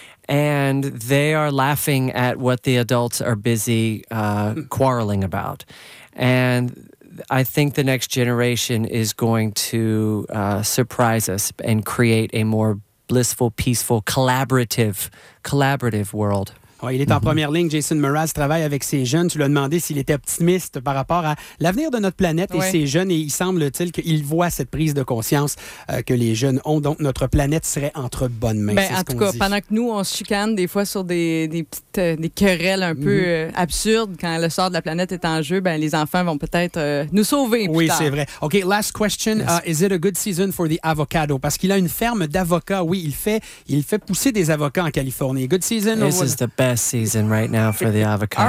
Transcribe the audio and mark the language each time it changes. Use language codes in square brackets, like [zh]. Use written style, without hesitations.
[en] And they are laughing at what the adults are busy quarreling about. And I think the next generation is going to surprise us and create a more blissful, peaceful, collaborative world. [fr] Ouais, il est en première ligne. Jason Mraz travaille avec ses jeunes. Tu lui as demandé s'il était optimiste par rapport à l'avenir de notre planète et ses jeunes. Et il semble-t-il qu'il voit cette prise de conscience que les jeunes ont. Donc, notre planète serait entre bonnes mains. Ben, c'est ce qu'on dit. Pendant que nous, on se chicane des fois sur des petites querelles un peu absurdes, quand le sort de la planète est en jeu, ben, les enfants vont peut-être nous sauver plus tard. Oui, c'est vrai. [en] OK, last question. Yes. Is it a good season for the avocado? [fr] Parce qu'il a une ferme d'avocats. Oui, il fait pousser des avocats en Californie. [en] Good season? This is the best season right now for the avocado.